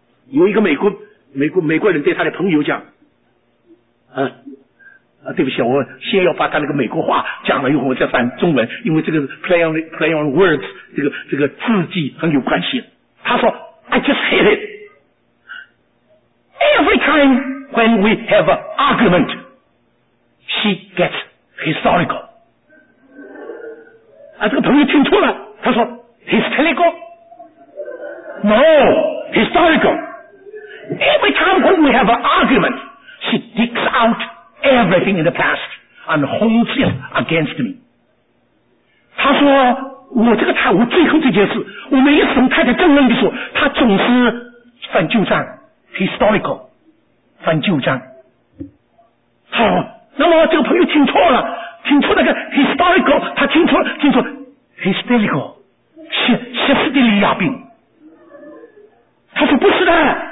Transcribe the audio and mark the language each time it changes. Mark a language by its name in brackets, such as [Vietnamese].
[Chinese] 有一个美国人对他的朋友讲，对不起，我先要把他那个美国话讲了以后，我再翻中文，因为这个 [English] play on words [Chinese] 这个字迹很有关系。 [English] 他说 ：“I just hate it. Every time when we have an argument, she gets hysterical.” [Chinese] 啊，这个朋友听错了，他说 ：“Hysterical? [English] No, hysterical.” Every time when we have an argument, she digs out everything in the past and holds it against me. [Chinese] 他说我这个太我最后这件事，我每一次跟太太争论的时候，他总是翻旧账 ，historical， 翻旧账。好，那么这个朋友听错了，听错那个 historical， 他听错了，听错 hysterical， 歇斯底里亚病。他说不是的。